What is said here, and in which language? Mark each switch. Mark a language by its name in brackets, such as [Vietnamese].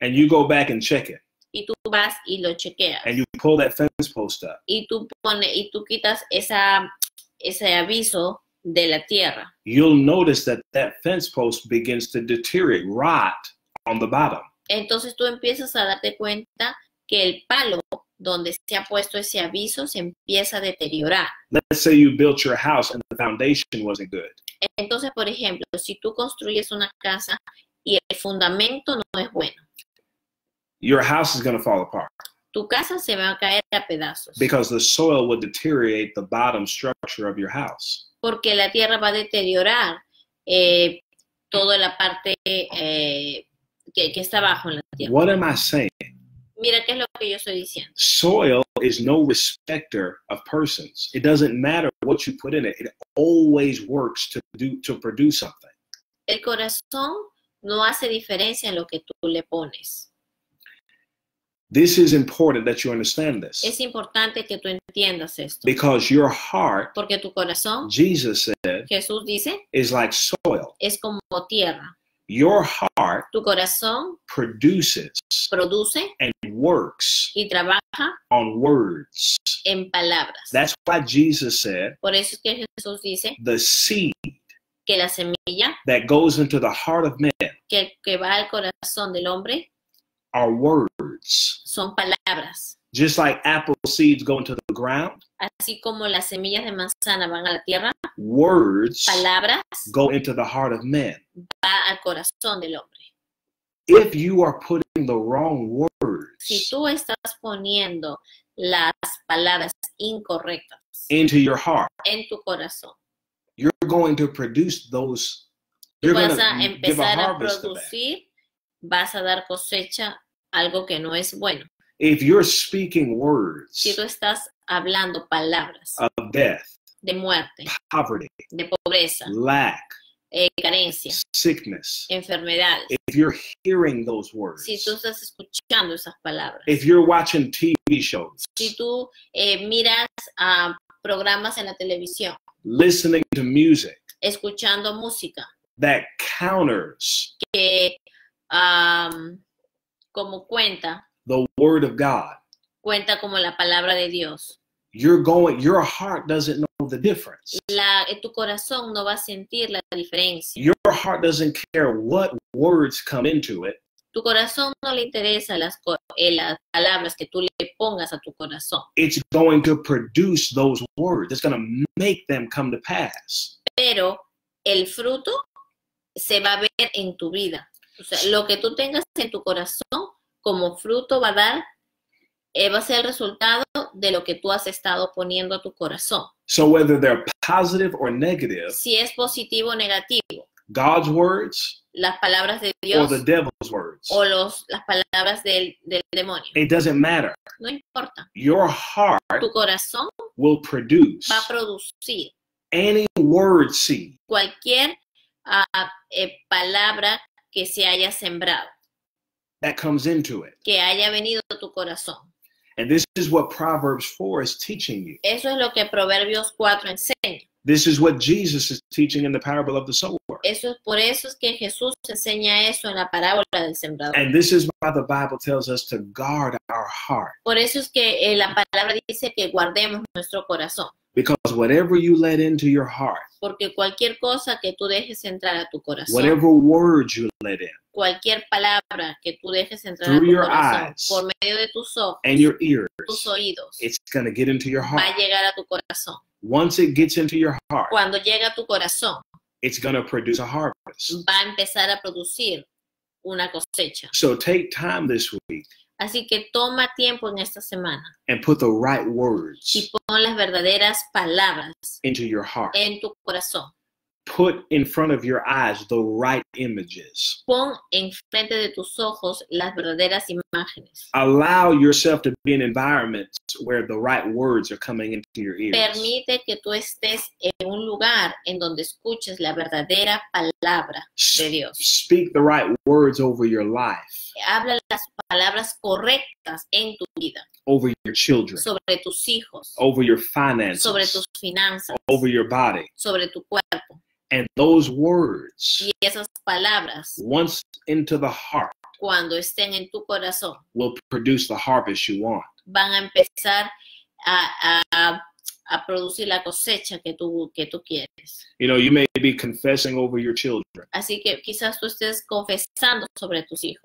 [English] and you go back and check it, [Spanish] y tú vas y lo chequeas, [English] and you pull that fence post up, [Spanish] y tú quitas ese aviso de la tierra, [English] you'll notice that that fence post begins to deteriorate, rot on the bottom. [Spanish] Entonces tú empiezas a darte cuenta que el palo donde se ha puesto ese aviso se empieza a deteriorar. [English] Let's say you built your house and the foundation wasn't good. [Spanish] Entonces, por ejemplo, si tú construyes una casa y el fundamento no es bueno, [English] your house is going to fall apart. [Spanish] Tu casa se va a caer a pedazos. [English] Because the soil will deteriorate the bottom structure of your house. [Spanish] Porque la tierra va a deteriorar toda la parte que está abajo en la tierra. [English] What am I saying? [Spanish] Mira, ¿qué es lo que yo estoy diciendo? [English] Soil is no respecter of persons. It doesn't matter what you put in it. It always works to produce something. [Spanish] El corazón no hace diferencia en lo que tú le pones. [English] This is important that you understand this. [Spanish] Es importante que tú entiendas esto. [English] Because your heart, [Spanish] porque tu corazón, [English] Jesus said, [Spanish] Jesús dice, [English] is like soil. [Spanish] Es como tierra. [English] Your heart, [Spanish] tu corazón, [English] produces, [Spanish] produce, [English] and works, [Spanish] y trabaja, [English] on words, [Spanish] en palabras. [English] That's why Jesus said, [Spanish] por eso es que Jesús dice, [English] the seed, [Spanish] que la semilla, [English] that goes into the heart of man, [Spanish] que va al corazón del hombre, [English] are words, [Spanish] son palabras. [English] Just like apple seeds go into the ground, [Spanish] así como las semillas de manzana van a la tierra, [English] words, [Spanish] palabras, [English] go into the heart of man. [Spanish] Va al corazón del hombre. [English] If you are putting the wrong words, [Spanish] si tú estás poniendo las palabras incorrectas, [English] into your heart, [Spanish] en tu corazón, [English] you're going to produce those, you're [Spanish] vas a empezar a producir, vas a dar cosecha algo que no es bueno. [English] If you're speaking words, [Spanish] si tú estás hablando palabras [English] of death, [Spanish] de muerte, [English] poverty, [Spanish] de pobreza, [English] lack, [Spanish] carencia, [English] sickness, [Spanish] enfermedades, [English] if you're hearing those words, [Spanish] si tú estás escuchando esas palabras, [English] if you're watching TV shows, [Spanish] si tú miras programas en la televisión, [English] listening to music, [Spanish] escuchando música, [English] that counters, [Spanish] que como cuenta, [English] the word of God, [Spanish] cuenta como la palabra de Dios. [English] You're going, your heart doesn't know the difference. [Spanish] Tu corazón no va a sentir la diferencia. [English] Your heart doesn't care what words come into it. [Spanish] Tu corazón no le interesa las palabras que tú le pongas a tu corazón. [English] It's going to produce those words. It's going to make them come to pass. [Spanish] Pero el fruto se va a ver en tu vida. O sea, lo que tú tengas en tu corazón como fruto va a dar, va a ser el resultado de lo que tú has estado poniendo a tu corazón. [English] So whether they're positive or negative, [Spanish] si es positivo o negativo, [English] God's words, [Spanish] las palabras de Dios, [English] or the devil's words, [Spanish] o las palabras del demonio, [English] it doesn't matter. [Spanish] No importa. [English] Your heart, [Spanish] tu corazón, [English] will produce, [Spanish] va a producir, [English] any word seed, [Spanish] cualquier palabra que se haya sembrado, [English] that comes into it, [Spanish] que haya venido a tu corazón. [English] And this is what Proverbs 4 is teaching you. [Spanish] Eso es lo que Proverbios 4 enseña. [English] This is what Jesus is teaching in the parable of the sower. [Spanish] eso es por eso es que Jesús enseña eso en la parábola del sembrador. [English] And this is why the Bible tells us to guard our heart. [Spanish] Por eso es que la palabra dice que guardemos nuestro corazón. [English] Because whatever you let into your heart. [Spanish] Porque cualquier cosa que tú dejes entrar a tu corazón. [English] Whatever words you let in. [Spanish] Cualquier palabra que tú dejes entrar [English] through [Spanish] a tu [English] your [Spanish] corazón, [English] eyes, [Spanish] por medio de tus ojos, [English] and your ears, [Spanish] tus oídos, [English] it's going to get into your heart. [Spanish] Va a llegar a tu corazón. [English] Once it gets into your heart, [Spanish] cuando llega a tu corazón, [English] it's going to produce a harvest. [Spanish] Va a empezar a producir una cosecha. [English] So take time this week. [Spanish] Así que toma tiempo en esta semana. [English] And put the right words. [Spanish] Y pon las verdaderas palabras. [English] Into your heart. [Spanish] En tu corazón. [English] Put in front of your eyes the right images. [Spanish] Pon en frente de tus ojos las verdaderas imágenes. [English] Allow yourself to be in environments where the right words are coming into your ears. [Spanish] Permite que tú estés en un lugar en donde escuches la verdadera palabra de Dios. [English] Speak the right words over your life. [Spanish] Habla las palabras correctas en tu vida. [English] Over your children. [Spanish] Sobre tus hijos. [English] Over your finances. [Spanish] Sobre tus finanzas. [English] Over your body. [Spanish] Sobre tu cuerpo. [English] And those words, [Spanish] y esas palabras, [English] once into the heart, [Spanish] cuando estén en tu corazón, [English] will produce the harvest you want. [Spanish] Van a empezar a producir la cosecha que tú quieres. [English] You know, you may be confessing over your children. [Spanish] Así que quizás tú estés confesando sobre tus hijos.